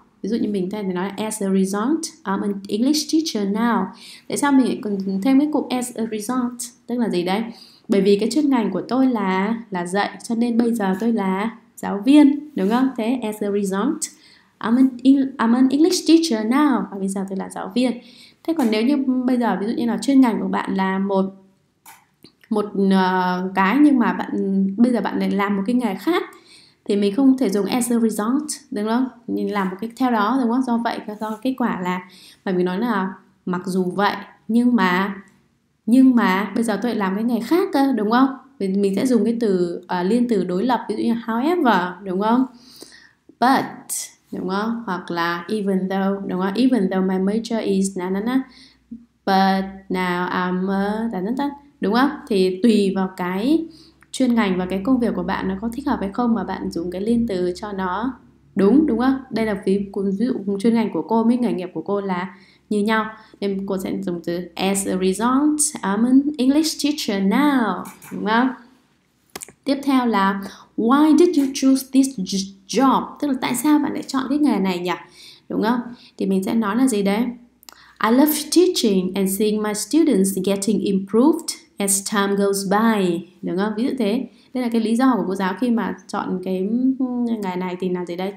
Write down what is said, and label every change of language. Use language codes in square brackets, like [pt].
[vi] Ví dụ như mình thay thì nói là [en] as a result, I'm an English teacher now. [vi] Tại sao mình còn thêm cái cụm [en] as a result? [vi] Tức là gì đấy? Bởi vì cái chuyên ngành của tôi là dạy, cho nên bây giờ tôi là giáo viên, đúng không? Thế [en] as a result, I'm an English teacher now. [vi] Và bây giờ tôi là giáo viên. Thế còn nếu như bây giờ ví dụ như là chuyên ngành của bạn là một một cái, nhưng mà bạn bây giờ bạn lại làm một cái nghề khác, thì mình không thể dùng [en] as a result, [vi] đúng không? Mình làm một cái theo đó, đúng không? Do vậy, do kết quả là, bởi vì nói là mặc dù vậy, nhưng mà bây giờ tôi lại làm cái nghề khác cơ, đúng không? Mình sẽ dùng cái từ liên từ đối lập, ví dụ như however, đúng không? But, đúng không? Hoặc là [en] even though, [vi] đúng không? [en] Even though my major is na na na, but now I'm da da da, [vi] đúng không? Thì tùy vào cái chuyên ngành và cái công việc của bạn nó có thích hợp hay không mà bạn dùng cái liên từ cho nó đúng, đúng không? Đây là ví dụ chuyên ngành của cô với nghề nghiệp của cô là như nhau, nên cô sẽ dùng từ [en] as a result, I'm an English teacher now, [vi] đúng không? Tiếp theo là [en] why did you choose this job? [vi] Tức là tại sao bạn lại chọn cái nghề này nhỉ? Đúng không? Thì mình sẽ nói là gì đấy? [en] I love teaching and seeing my students getting improved as time goes by, [vi] đúng không? Ví dụ thế, đây là cái lý do của cô giáo khi mà chọn cái ngày này thì làm gì đây?